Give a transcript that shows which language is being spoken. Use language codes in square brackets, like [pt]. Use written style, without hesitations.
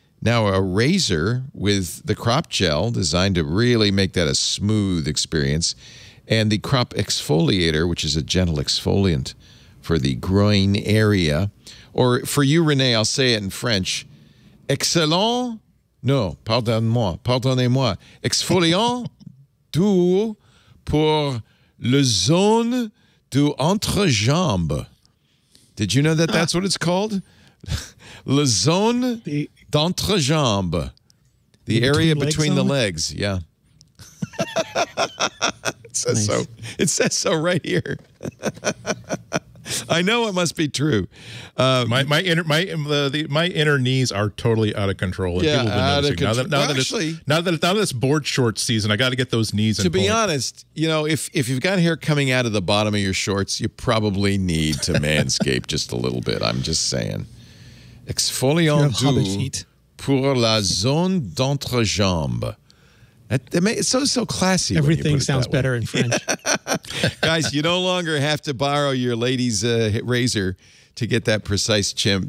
[en] Now, a razor with the crop gel designed to really make that a smooth experience, and the crop exfoliator, which is a gentle exfoliant for the groin area. Or for you, Renee, I'll say it in French. [fr] Excellent. [en] No, [fr] pardonne-moi. Pardonnez-moi. Exfoliant doux pour le zone du entrejambe. [en] Did you know that that's what it's called? [fr] Le zone d'entrejambe. [en] The area between the legs. Yeah. It says nice. So. It says so right here. I know it must be true. My inner knees are totally out of control. And yeah, people have been noticing. Now that it's board shorts season, I got to get those knees. To be honest, you know, if you've got hair coming out of the bottom of your shorts, you probably need to manscape just a little bit. I'm just saying. [fr] Exfoliant doux pour la zone d'entrejambe. [en] It's so, so classy. Everything sounds better in French. Guys, you no longer have to borrow your lady's razor to get that precise trim.